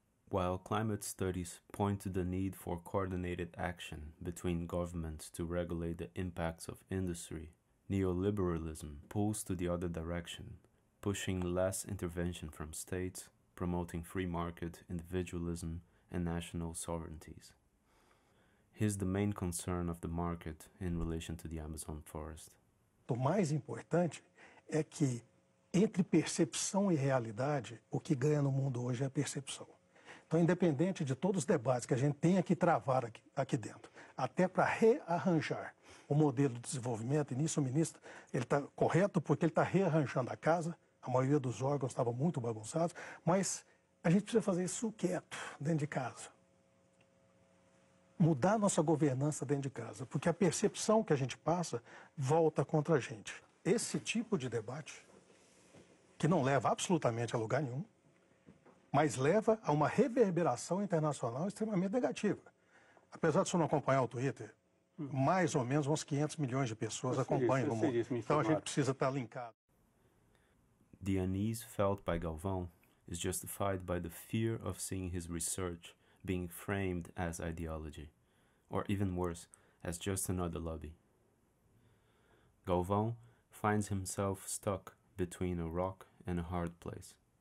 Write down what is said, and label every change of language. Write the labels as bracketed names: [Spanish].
[English] While climate studies point to the need for coordinated action between governments to regulate the impacts of industry, neoliberalism pulls to the other direction, pushing less intervention from states, promoting free market individualism and national sovereignties. Here's the main concern of the market in relation to the Amazon forest. [Portuguese] O mais importante é que entre percepção e realidade, o que ganha no mundo hoje é a percepção. Então, independente de todos os debates que a gente tenha que travar aqui dentro, até para rearranjar o modelo de desenvolvimento, e nisso o ministro está correto, porque ele está rearranjando a casa, a maioria dos órgãos estava muito bagunçados, mas a gente precisa fazer isso quieto, dentro de casa. Mudar a nossa governança dentro de casa, porque a percepção que a gente passa volta contra a gente. Esse tipo de debate, que não leva absolutamente a lugar nenhum, mas leva a uma reverberação internacional extremamente negativa. Apesar de você não acompanhar o Twitter, mais ou menos uns 500 milhões de pessoas acompanham no mundo. Então a gente precisa estar linkado. [English] The unease felt by Galvão is justified by the fear of seeing his research being framed as ideology, or even worse, as just another lobby. Galvão finds himself stuck between a rock and a hard place.